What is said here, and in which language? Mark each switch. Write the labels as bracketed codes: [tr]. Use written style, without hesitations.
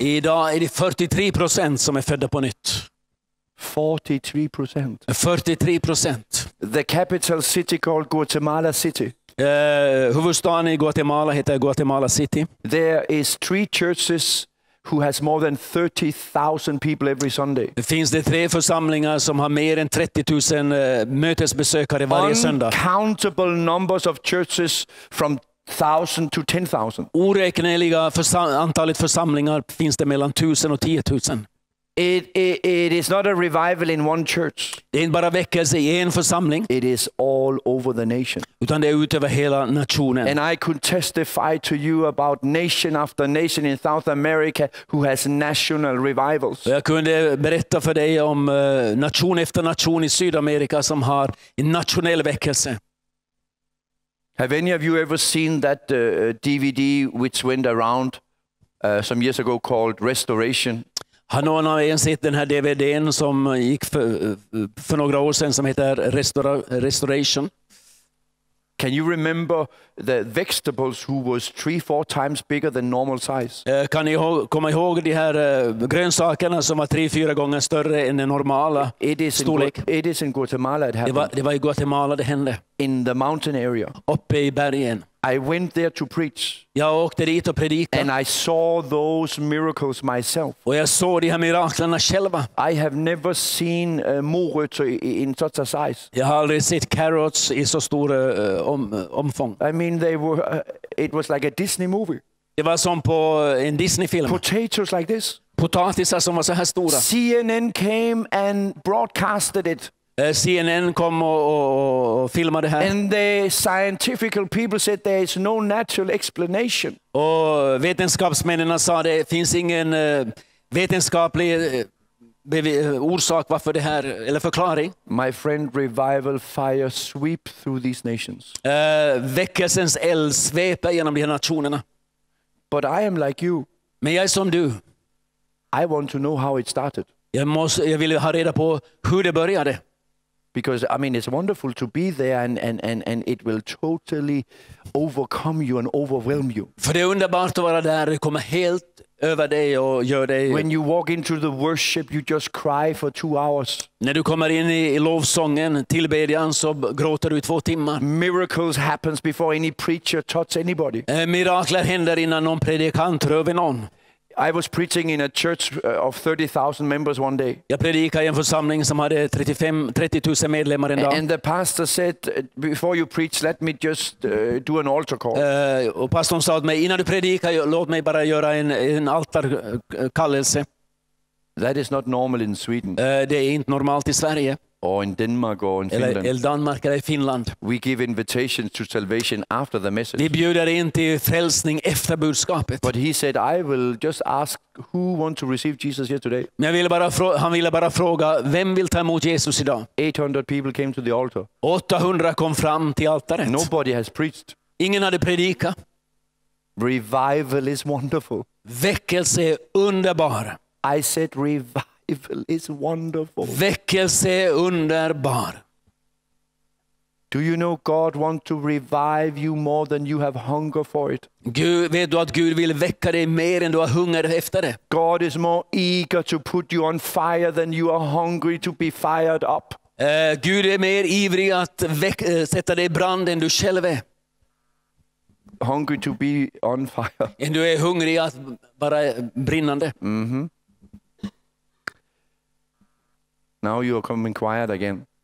[sv] Idag är det 43% som är födda på nytt. 43%. 43%. [en] The capital city called Guatemala City. [sv] Huvudstaden i Guatemala heter Guatemala City. [en] There is three churches who has more than 30,000 people every Sunday. [sv] Det finns det tre församlingar som har mer än 30,000 mötesbesökare varje söndag. [en] Uncountable numbers of churches from 1,000 to 10,000. [sv] Oräkneliga antalet församlingar finns det mellan 1,000 och 10,000. [en] It is not a revival in one church. [sv] Det är inte bara väckelse i en församling. [en] It is all over the nation. [sv] Utan det är ut över hela nationen. [en] And I could testify to you about nation after nation in South America who has national revivals. [sv] Jag kunde berätta för dig om nation efter nation i Sydamerika som har en nationell väckelse. [en] Have any of you ever seen that DVD which went around some years ago called Restoration? [sv] Har någon av er sett den här DVD:n som gick för några år sedan som heter Restoration? [en] Can you remember the vegetables who was 3-4 times bigger than normal size? [sv] Kan ni komma ihåg de här grönsakerna som var 3-4 gånger större än den normala storlek? [en] It is in Guatemala it happened. [sv] Det var i Guatemala det hände. [en] In the mountain area. [sv] Uppe i bergen. [en] I went there to preach. [sv] Jag åkte dit och predika. [en] And I saw those miracles myself. [sv] Och jag såg de här miraklerna själva. [en] I have never seen morötter in such a size. [sv] Jag har aldrig sett carrots i så stor omfång. [en] I mean they were it was like a Disney movie. [sv] Det var som på en Disney film. [en] Potatoes like this. [sv] Potatisar som var så här stora. [en] CNN came and broadcasted it. [sv] CNN kom och filmade det här. [en] And the scientific people said there is no natural explanation. [sv] Och vetenskapsmännen sa det finns ingen vetenskaplig orsak varför det här eller förklaring. [en] My friend, revival fire sweep through these nations. [sv] Väckelsens eld sveper genom de här nationerna. [en] But I am like you. [sv] Men jag är som du. [en] I want to know how it started. [sv] Jag vill ha reda på hur det började. [en] Because I mean it's wonderful to be there and it will totally overcome you and overwhelm you. [sv] För det är underbart att vara där, det kommer helt över dig och gör dig. [en] When you walk into the worship you just cry for 2 hours. [sv] När du kommer in i lovsången, tillbedjan så gråter du i 2 timmar. [en] Miracles happens before any preacher touches anybody. [sv] Mirakler händer innan någon predikant rör vid någon. [en] I was preaching in a church of 30,000 members one day. [sv] Jag predikade i en församling som hade 30,000 medlemmar en dag. [en] And the pastor said, before you preach, let me just do an altar call. [sv] Och pastorn sa till mig, innan du predikar, låt mig bara göra en altarkallelse. [en] That is not normal in Sweden. [sv] Det är inte normalt i Sverige. [en] Or in Denmark or in [sv] eller, [en] Finland. [sv] Eller Danmark eller Finland. [en] We give invitations to salvation after the message. [sv] Vi bjuder in till frälsning efter budskapet. [en] But he said, I will just ask who want to receive Jesus here today. [sv] Men han ville bara fråga, vem vill ta emot Jesus idag? [en] 800 people came to the altar. [sv] 800 kom fram till altaret. [en] Nobody has preached. [sv] Ingen hade predikat. [en] Revival is wonderful. [sv] Väckelse är underbar. [en] I said revival. Revival is wonderful. [sv] Väckelse är underbar. [en] Do you know God want to revive you more than you have hunger for it? [sv] Gud, vet du att Gud vill väcka dig mer än du har hunger efter det? [en] God is more eager to put you on fire than you are hungry to be fired up. [sv] Gud är mer ivrig att sätta dig i brand än du själv är. [en] Hungry to be on fire. [sv] Än du är hungrig att vara brinnande. [en] Now you are coming quiet again.